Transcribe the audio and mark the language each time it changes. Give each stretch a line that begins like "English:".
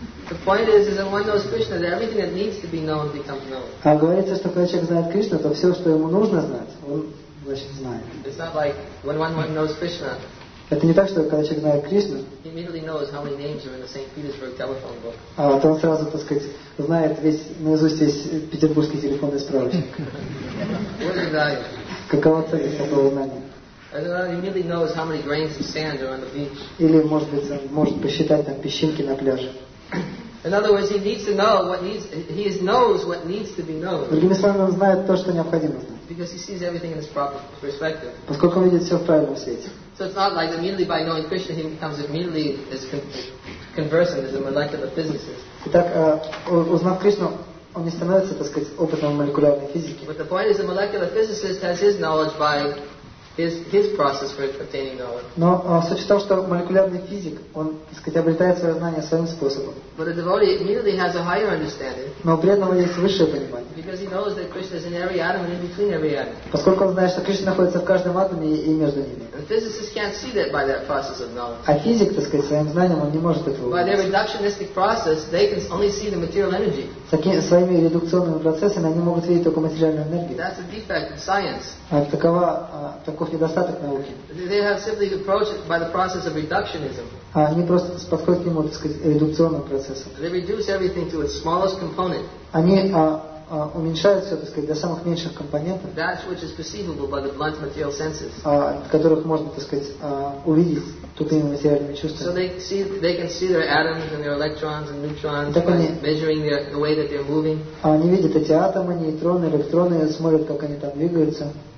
English: The point is that one knows Krishna, that everything that needs to be known becomes known.
Russian: А говорится, что когда человек знает Кришну, то все, что ему нужно знать, он... значит, знает.
English: It's not like when one knows Krishna.
Russian: Это не так, что когда человек знает Кришну,
English: he immediately knows how many names are in the St. Petersburg telephone book.
Russian: А то он сразу, так сказать, знает весь наизусть весь петербургский телефонный справочник.
English: What is that?
Russian: Какова цель такого знания?
English: He immediately knows how many grains of sand are on the beach.
Russian: Или может быть он может посчитать там песчинки на пляже.
English: In other words, he needs to know what needs. He knows what needs to be known.
Russian: Другими словами, он знает то, что необходимо знать.
English: Because he sees everything in his proper perspective.
Russian: Поскольку он видит все в правильном свете.
English: So it's not like immediately by knowing Krishna he becomes immediately as conversant as a molecular physicist.
Russian: Итак, узнав Кришну, он не становится, так сказать, опытным в молекулярной физике.
English: But the point is, a molecular physicist has his knowledge by his process for obtaining knowledge.
Russian: Но суть в том, что молекулярный физик, он, так сказать, обретает свое знание своим способом.
English: But a devotee immediately has a higher understanding.
Russian: Но у преданного есть высшее понимание.
English: Because he knows that Krishna is in every atom and in between every atom.
Russian: Поскольку он знает, что Кришна находится в каждом атоме и между ними.
English: And physicists can't see that by that process of knowledge.
Russian: А физик, так сказать, своим знанием он не может этого увидеть.
English: By their reductionistic process, they can only see the material energy.
Russian: Своими редукционными процессами они могут видеть только материальную энергию.
English: That's a defect of science.
Russian: А такова таков недостаток науки.
English: They have simply approached it by the process of reductionism.
Russian: А они просто подходят к нему, так сказать, редукционным процессом.
English: They reduce everything to its smallest component.
Russian: Они уменьшают все, так сказать, до самых меньших компонентов,
English: that which is perceivable by the blunt material senses.
Russian: Которых можно, так сказать, увидеть тупыми материальными чувствами.
English: So they can see their atoms and their electrons and neutrons by measuring the way that they're moving.
Russian: Они видят эти атомы, нейтроны, электроны, смотрят, как они там двигаются.